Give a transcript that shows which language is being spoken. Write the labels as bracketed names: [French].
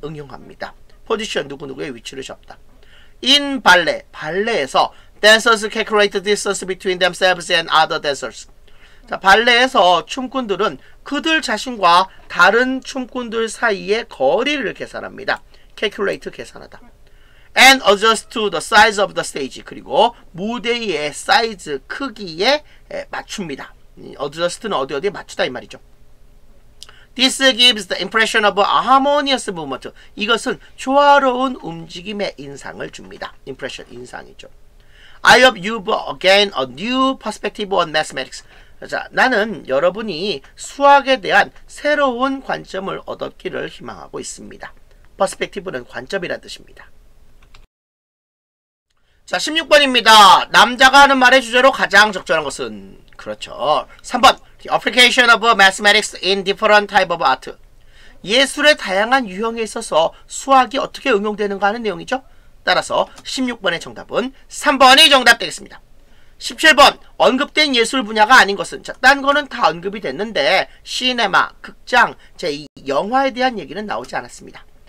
[Korean] 응용합니다. [English] Position, [Korean] 누구누구의 위치를 잡다. [English] In ballet, [Korean] 발레에서 [English] Dancers calculate distance between themselves and other dancers. [Korean] 자, 발레에서 춤꾼들은 그들 자신과 다른 춤꾼들 사이의 거리를 계산합니다. Calculate, 계산하다. [English] And adjust to the size of the stage. [Korean] 그리고 무대의 사이즈, 크기에 맞춥니다. Adjust는 어디 어디에 맞추다 이 말이죠. [English] This gives the impression of a harmonious movement. [Korean] 이것은 조화로운 움직임의 인상을 줍니다. [English] Impression, [Korean] 인상이죠. [English] I hope you've gained a new perspective on mathematics. [Korean] 자, 나는 여러분이 수학에 대한 새로운 관점을 얻었기를 희망하고 있습니다. Perspective는 관점이란 뜻입니다. 자, 16번입니다. 남자가 하는 말의 주제로 가장 적절한 것은? 그렇죠. 3번. [English] The application of mathematics in different type of art. [Korean] 예술의 다양한 유형에 있어서 수학이 어떻게 응용되는가 하는 내용이죠. 따라서 16번의 정답은 3번이 정답되겠습니다. 17번. 언급된 예술 분야가 아닌 것은? 자, 딴 거는 다 언급이 됐는데 시네마, 극장, 제 영화에 대한 얘기는 나오지 않았습니다.